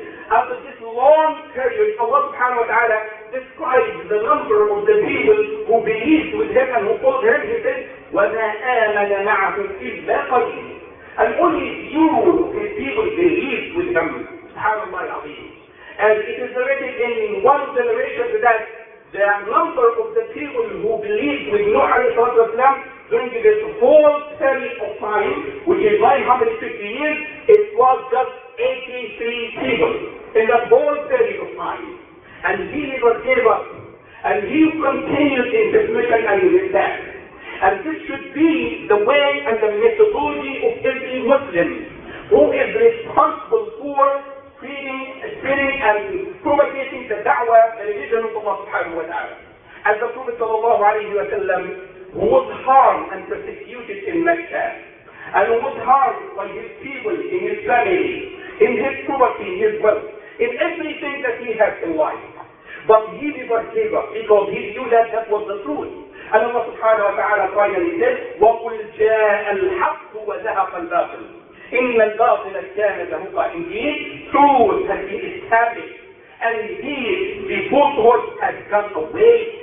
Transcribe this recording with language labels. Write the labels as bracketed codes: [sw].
[en] After this long period, Allah subhanahu wa ta'ala describes the number of the people who believed with him and who called him. He said, [ar] وَمَا آمَنَ مَعَهُمْ إِلَّا قَلِيلٌ. [en] And only few of his people believed with him. SubhanAllah al-Azim. And it is narrated in one generation that the number of the people who believed with Nuh alayhi wasallam during this whole period of time, which is 950 years, it was just 83 people in that whole period of time. And he never gave up. And he continued in his mission and in his death. And this should be the way and the methodology of every Muslim who is responsible for spreading and propagating the da'wah, the religion of Allah subhanahu wa ta'ala. As the Prophet sallallahu alayhi wa sallam was harmed and persecuted in Mecca, and was harmed by his people, in his family, in his poverty, in his wealth, in everything that he had in life. But he never gave up because he knew that that was the truth. And Allah subhanahu wa ta'ala finally said, [ar] وَقُلْ جَاءَ الْحَقُّ وَذَهَقَ الْبَاطِلُ إِنَّ الْبَاطِلَ كَانَ ذَهُقَ. [en] Indeed, truth has been established. And he, the falsehood, has gone away.